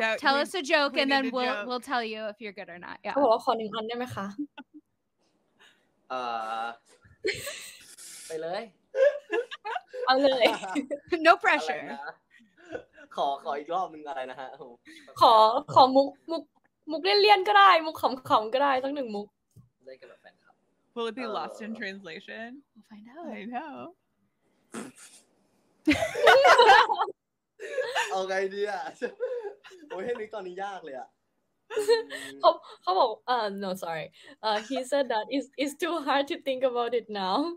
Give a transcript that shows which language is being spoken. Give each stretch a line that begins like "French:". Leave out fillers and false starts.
English: Yeah, tell us a joke, and then we'll tell you if you're good or not. Yeah. Oh,
Thai: ขอหนึ่งอันได้ไหมคะ ไปเลย เอาเลย
English: No pressure.
Thai: ขออีกรอบนึงอะไรนะฮะ ขอมุกเลี่ยนๆก็ได้มุกขำๆก็ได้สักหนึ่งมุก
English: Will it be lost in translation? We'll find out. I know.
Thai: เอาไงดีอ่ะโอ้ยให้นึกตอนนี้ยากเลยอ่ะ เขาบอก
English: no sorry he said that it's too hard to think about it now